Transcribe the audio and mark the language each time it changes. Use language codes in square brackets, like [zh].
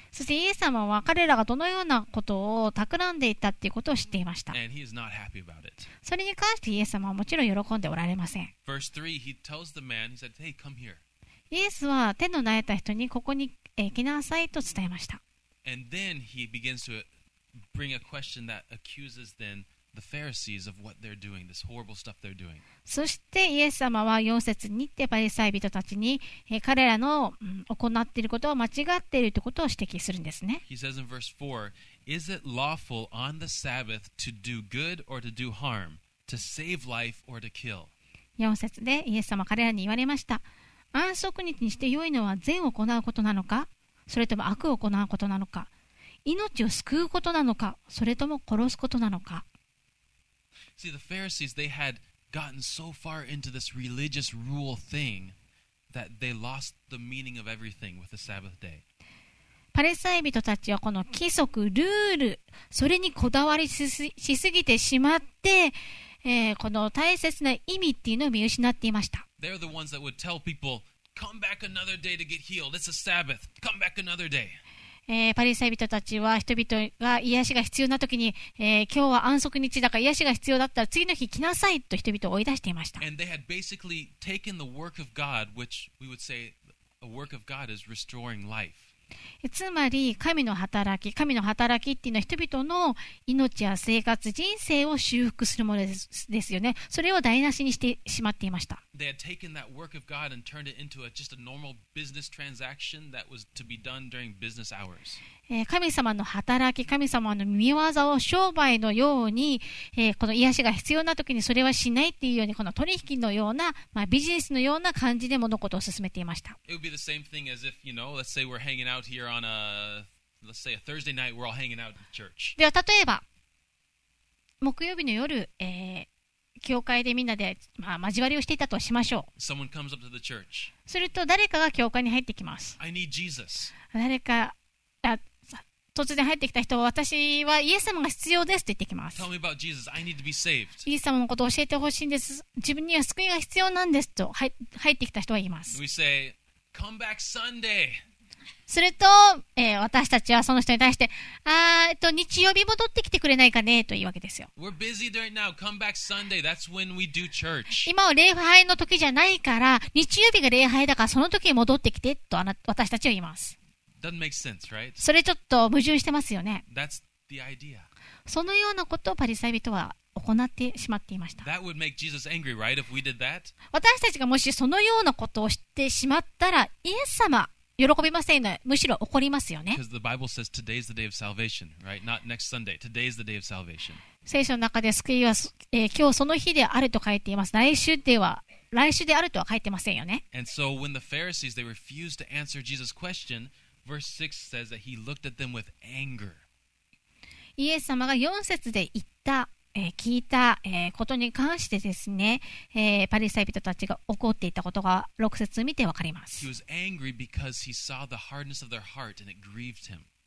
[ja] そしてイエス様は彼らがどのようなことを企んでいたということを知っていました。 [en] And he is not happy about it. [ja] それに関してイエス様はもちろん喜んでおられません。 [en] Verse 3, he tells the man, he said, hey, come here. [ja] イエスは手の萎えた人にここに来なさいと伝えました。 [en] And then he begins to bring a question that accuses then the Pharisees of what they're doing, this horrible stuff they're doing. [ja] そしてイエス様は4節にてパリサイ人たちに彼らの行っていることを間違っているということを指摘するんですね。 [en] He says in verse 4, Is it lawful on the Sabbath to do good or to do harm, to save life or to kill? [ja] 4節でイエス様は彼らに言われました。安息日にして良いのは善を行うことなのか、それとも悪を行うことなのか、命を救うことなのか、それとも殺すことなのか。 [en] See, the Pharisees, they had gotten so far into this religious rule thing that they lost the meaning of everything with the Sabbath day. [ja] パリサイ人たちはこの規則、ルール、それにこだわりしすぎてしまって、この大切な意味っていうのを見失っていました。 [en] They're the ones that would tell people, come back another day to get healed. It's a Sabbath. Come back another day. [ja] パリサイ人たちは人々が癒しが必要な時に、今日は安息日だから癒しが必要だったら次の日来なさいと人々を追い出していました。 [en] And they had basically taken the work of God, which we would say a work of God is restoring life. [ja] つまり神の働き、神の働きっていうのは人々の命や生活、人生を修復するものですよね。それを台無しにしてしまっていました。 [en] they had taken that work of God and turned it into a, just a normal business transaction that was to be done during business hours. [ja] 神様の働き、神様の御業を商売のように、この癒しが必要な時にそれはしないっていうように、この取引のような、まあ、ビジネスのような感じで物事を進めていました。 [en] It would be the same thing as if, you know, let's say we're hanging out here on a, let's say a Thursday night, we're all hanging out at church. [ja] では例えば、木曜日の夜、教会でみんなで、まあ、交わりをしていたとしましょう。 [en] Someone comes up to the church. [ja] すると誰かが教会に入ってきます。 [en] I need Jesus. [ja] 誰か、突然入ってきた人は私はイエス様が必要ですと言ってきます。 [en] Tell me about Jesus. I need to be saved. [ja] イエス様のことを教えてほしいんです、自分には救いが必要なんですと 入ってきた人は言います。 [en] We say, Come back Sunday. [ja] すると、私たちはその人に対して日曜日戻ってきてくれないかねというわけですよ。 [en] We're busy right now. Come back Sunday. That's when we do church. [ja] 今は礼拝の時じゃないから、日曜日が礼拝だからその時に戻ってきてと私たちは言います。 [en] Doesn't make sense, right? [ja] それちょっと矛盾してますよね。 [en] That's the idea. [ja] そのようなことをパリサイ人は行ってしまっていました。 [en] That would make Jesus angry, right? If we did that? [ja] 私たちがもしそのようなことをしてしまったら、イエス様喜びませんね。むしろ怒りますよね。 [en] Because the Bible says today's the day of salvation, right? Not next Sunday. Today's the day of salvation. [ja] 聖書の中で救いは、今日その日であると書いています。来週では、来週であるとは書いてませんよね。 [en] And so when the Pharisees, they refused to answer Jesus' question,Verse 6 says that he looked at them with anger. [ja] イエス様が4節で言った、聞いた、ことに関してですね、パリサイ人たちが怒っていたことが6節を見てわかります。 [en] He was angry because he saw the hardness of their heart and it grieved him.